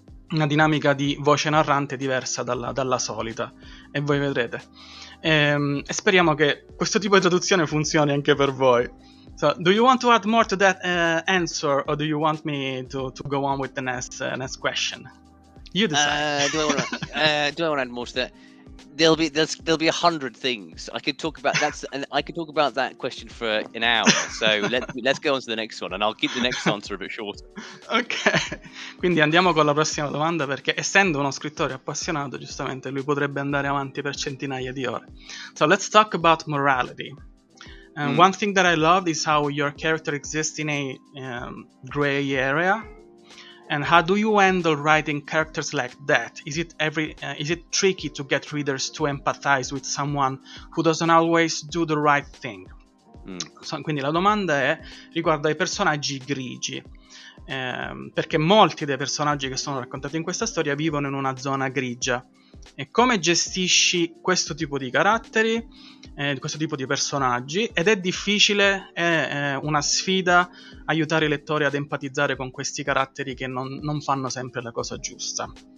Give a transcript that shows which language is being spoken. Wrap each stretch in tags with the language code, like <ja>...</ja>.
<it>una dinamica di voce narrante diversa dalla solita, e voi vedrete. E speriamo che questo tipo di traduzione funzioni anche per voi.</it> <en>So, do you want to add more to that answer, or do you want me to go on with the next question? You decide. Do I want to add more to that? There'll be 100 things I could talk about. I could talk about that question for an hour. So let's go on to the next one, and I'll keep the next answer a bit shorter. Okay.</en> <it>Quindi andiamo con la prossima domanda, perché essendo uno scrittore appassionato, giustamente lui potrebbe andare avanti per centinaia di ore.</it> <en>So let's talk about morality. One thing that I loved is how your character exists in a gray area. And how do you handle writing characters like that? Is it tricky to get readers to empathize with someone who doesn't always do the right thing?</en> <it>Quindi la domanda è riguardo ai personaggi grigi. Perché molti dei personaggi che sono raccontati in questa storia vivono in una zona grigia. E come gestisci questo tipo di caratteri, questo tipo di personaggi? Ed è difficile, è una sfida aiutare i lettori ad empatizzare con questi caratteri che non fanno sempre la cosa giusta.</it>